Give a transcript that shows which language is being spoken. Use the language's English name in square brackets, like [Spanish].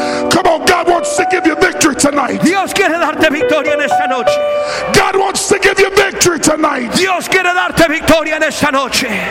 [English] Come on, God wants to give you victory tonight. [Spanish] Dios quiere darte victoria en esta noche. [English] God wants to give you victory tonight. [Spanish] Dios quiere darte victoria en esta noche.